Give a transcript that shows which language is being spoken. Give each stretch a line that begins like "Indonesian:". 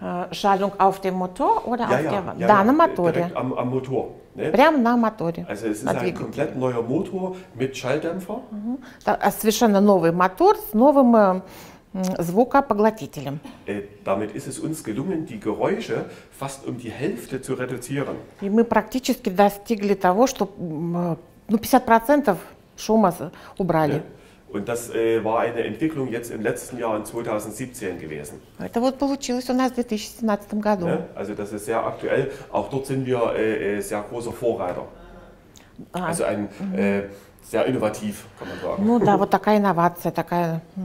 German: Schallung auf dem Motor oder ja, auf ja, der Wand? Ja, da, ja, am Motor. Direkt am, am Motor.
Russian: Прямо на моторе.
German: Also es ist ein komplett neuer Motor mit Schalldämpfer.
Russian: Совершенно новый мотор с новым звукопоглотителем.
German: Damit ist es uns gelungen, die Geräusche fast um die Hälfte zu reduzieren.
Russian: И мы практически достигли того, что 50% шума убрали.
German: Und das war eine Entwicklung jetzt im letzten Jahr, in 2017 gewesen.
Russian: Это вот получилось у нас в 2017 году.
German: Ne? Also das ist sehr aktuell. Auch dort sind wir sehr großer Vorreiter. Ah. Also ein sehr innovativ, kann man sagen.
Russian: Ну да, вот такая инновация, такая.